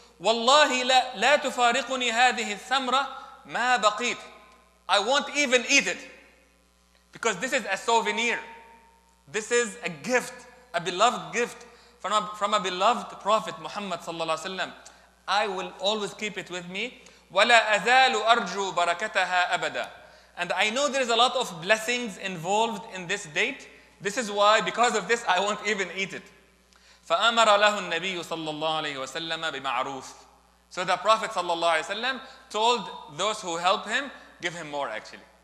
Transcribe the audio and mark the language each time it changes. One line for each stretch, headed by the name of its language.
Arabic: والله لا تفارقني هذه الثمرة ما بقيت.
English: I won't even eat it because this is a souvenir. This is a gift, a beloved gift from a beloved Prophet Muhammad sallallahu alaihi wasallam. I will always keep it with me.
Arabic: وَلَا أَزَالُ أَرْجُو بَرَكَتَهَا أَبَدًا.
English: And I know there is a lot of blessings involved in this date. This is why, because of this, I won't even eat it.
Arabic: فَأَمَرَ لَهُ النَّبِيُّ صَلَّى اللَّهُ عَلَيْهِ وَسَلَّمَ بِمَعْرُوفٍ.
English: So the Prophet sallallahu alaihi wasallam told those who helped him, give him more actually.